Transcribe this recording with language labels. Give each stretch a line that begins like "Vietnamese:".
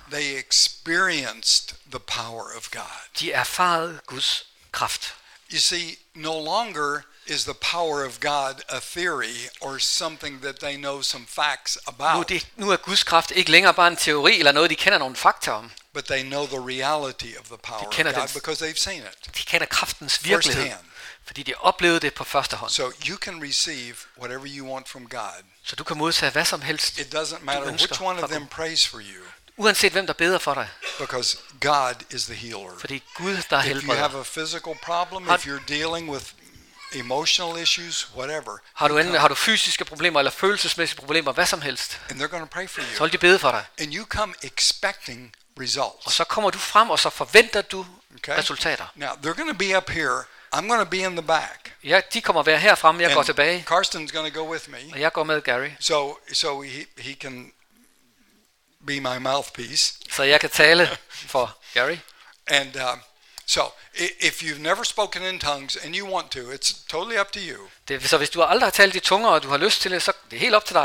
English: They experienced the power of God.
Danish: De erfarede Guds kraft.
English: You see, no longer is the power of God a theory or something that they know some facts about.
Danish: Nu er Guds kraft ikke længere bare en teori eller noget, de kender nogle fakta om.
English: But they know the reality of the power of God because they've seen it.
Danish: De kender kraftens virkelighed. Fordi de oplevede det på første hånd.
English: So you can receive whatever you want from God.
Danish: Så du kan modtage hvad som helst.
English: It doesn't matter which one of them prays for you.
Danish: Uanset hvem der beder for dig.
English: Because God is the healer.
Danish: Fordi Gud der helbreder.
English: If you have a physical problem, if you're dealing with emotional issues, whatever.
Danish: Har du fysiske problemer eller følelsesmæssige problemer, hvad som helst.
English: And they're going to pray for you.
Danish: Så vil de bede for dig.
English: And you come expecting results.
Danish: Og så kommer du frem og så forventer du resultater.
English: Now they're going to be up here. I'm going to be in the back.
Danish: Ja, de kommer være her fremme. Jeg går tilbage.
English: Karsten's going to go with me.
Danish: Og jeg går med Gary.
English: So he can be my mouthpiece.
Danish: Så jeg kan tale for Gary.
English: And so if you've never spoken in tongues and you want to, it's totally up to you.
Danish: Så hvis du aldrig har talt i tunger og du har lyst til det, så det er helt op til dig.